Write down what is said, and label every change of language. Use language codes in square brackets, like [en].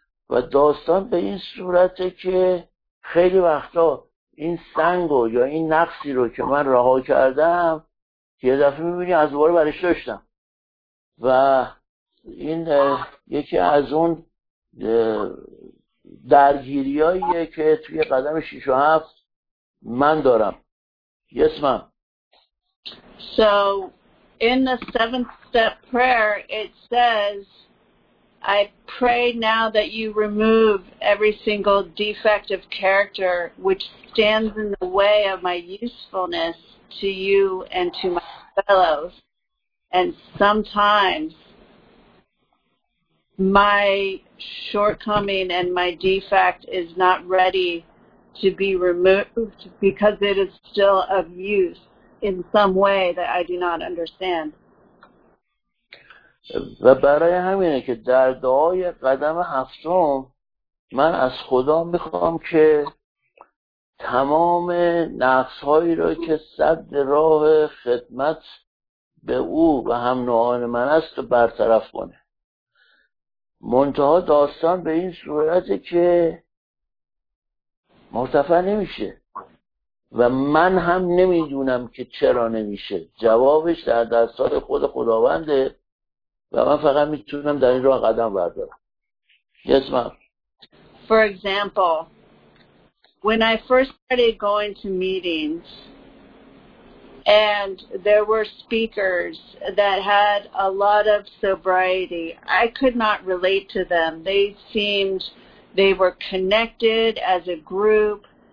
[fa] و داستان به این صورته که خیلی وقتا این سنگو یا این نقصی رو که من رها کردم یه دفعه میبینی از دوباره برش داشتم. و این یکی از اون درگیریاییه که توی قدم 6 و 7 من دارم. [en] Yes, ma'am. So, in the seventh step prayer, it says, I pray now that you remove every single defect of character which stands in the way of my usefulness to you and to my fellows. And sometimes my shortcoming and my defect is not ready to be removed because it is still of use in some way that I do not understand. [fa] و برای همینه که در دعای قدم هفتم من از خدا میخوام که تمام نقصهایی رو که سد راه خدمت به او و هم نوعان من است برطرف کنه. منتها داستان به این صورته که مرتفع نمیشه و من هم نمیدونم که چرا نمیشه. جوابش در دستای خود خداونده و من فقط میتونم در این راه قدم بردارم. [en] Yes, ma'am. For example, when I first started going to meetings and there were speakers that had a lot of sobriety, I could not relate to them. They seemed they were connected as a group.